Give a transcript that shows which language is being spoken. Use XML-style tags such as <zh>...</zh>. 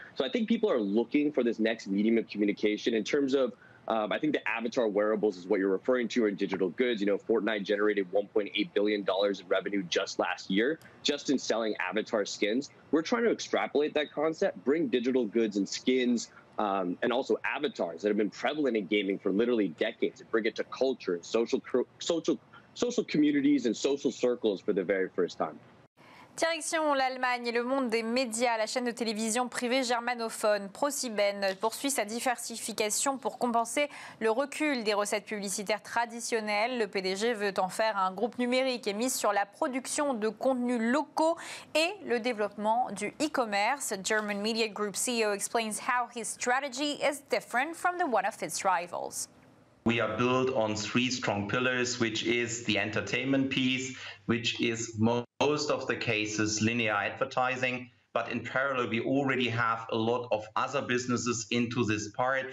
<en>So I think people are looking for this next medium of communication in terms of, I think the avatar wearables is what you're referring to in digital goods. You know, Fortnite generated $1.8 billion in revenue just last year, just in selling avatar skins. We're trying to extrapolate that concept, bring digital goods and skins and also avatars that have been prevalent in gaming for literally decades, and bring it to culture and social communities and social circles for the very first time.</en> <fr>Direction l'Allemagne et le monde des médias. La chaîne de télévision privée germanophone ProSieben poursuit sa diversification pour compenser le recul des recettes publicitaires traditionnelles. Le PDG veut en faire un groupe numérique et mise sur la production de contenus locaux et le développement du e-commerce.</fr> <en>German Media Group CEO explains how his strategy is different from the one of its rivals. We are built on three strong pillars, which is the entertainment piece, which is most of the cases linear advertising. But in parallel, we already have a lot of other businesses into this part.</en>